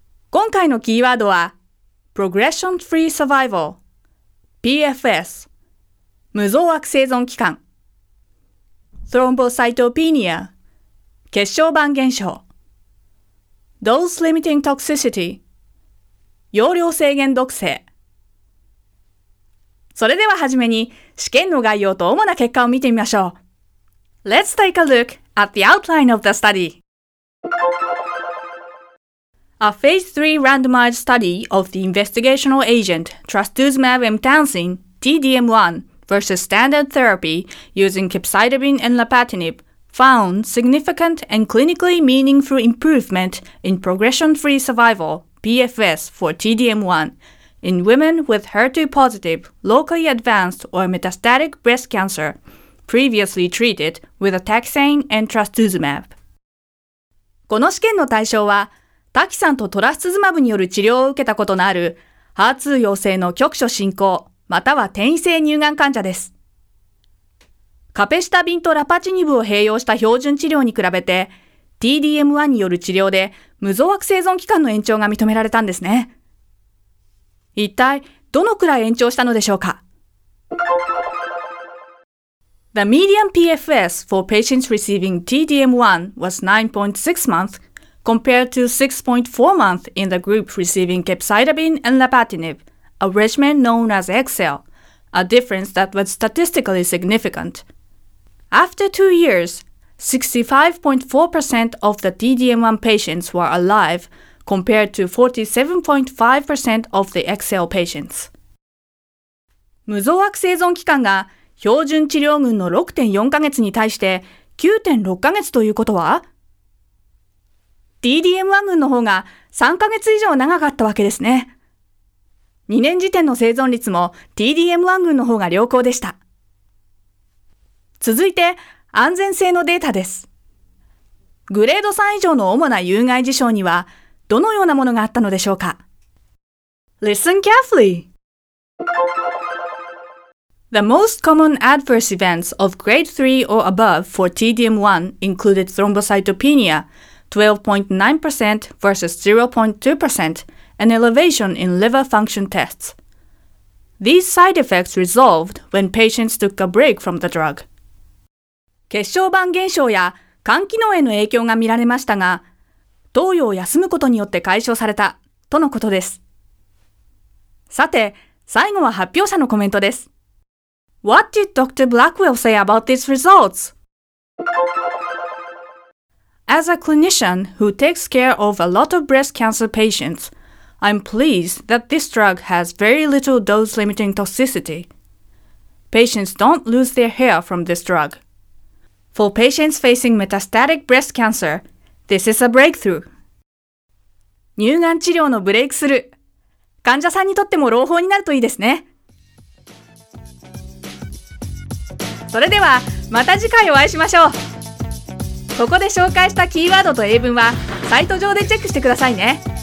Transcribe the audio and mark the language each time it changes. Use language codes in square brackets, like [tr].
[ja] 今回のキーワードは [en] Progression Free Survival [ja] PFS 無増悪生存期間 Thrombocytopenia 血小板減少 [en] Dose Limiting Toxicity [ja] 容量制限毒性。それでは初めに試験の概要と主な結果を見てみましょう。 [en] Let's take a look at the outline of the study. A phase 3 randomized study of the investigational agent trastuzumab emtansine TDM1 versus standard therapy using capecitabine and lapatinib found significant and clinically meaningful improvement in progression-free survival (PFS) for TDM1. In women with HER2-positive, locally advanced or metastatic breast cancer, previously treated with a taxane and trastuzumab. [ja] この試験の対象は、タキサンとトラスツズマブによる治療を受けたことのある、HER2 陽性の局所進行、または転移性乳がん患者です。カペシタビンとラパチニブを併用した標準治療に比べて、TDM1 による治療で無増悪生存期間の延長が認められたんですね。一体どのくらい延長したのでしょうか? [en] The median PFS for patients receiving TDM1 was 9.6 months compared to 6.4 months in the group receiving capecitabine and lapatinib, a regimen known as XL, a difference that was statistically significant. After 2 years, 65.4% of the TDM1 patients were aliveCompared to 47.5% of the XL patients. [ja] 無増悪生存期間が標準治療群の 6.4 ヶ月に対して9.6ヶ月ということは ?TDM1 群の方が3ヶ月以上長かったわけですね。 2年時点の生存率も TDM1 群の方が良好でした。続いて安全性のデータです。グレード3以上の主な有害事象にはどのようなものがあったのでしょうか? [en] Listen carefully! The most common adverse events of grade 3 or above for TDM1 included thrombocytopenia, 12.9% versus 0.2%, and elevation in liver function tests. These side effects resolved when patients took a break from the drug. [ja] 血小板減少や肝機能への影響が見られましたが、投与を休むことによって解消されたとのことです。さて、最後は発表者のコメントです。 [en] What did Dr. Blackwell say about these results? As a clinician who takes care of a lot of breast cancer patients, I'm pleased that this drug has very little dose-limiting toxicity. Patients don't lose their hair from this drug. For patients facing metastatic breast cancer,This is a breakthrough. [ja] 乳がん治療のブレイクスルー。患者さんにとっても朗報になるといいですね。それではまた次回お会いしましょう。ここで紹介したキーワードと英文はサイト上でチェックしてくださいね。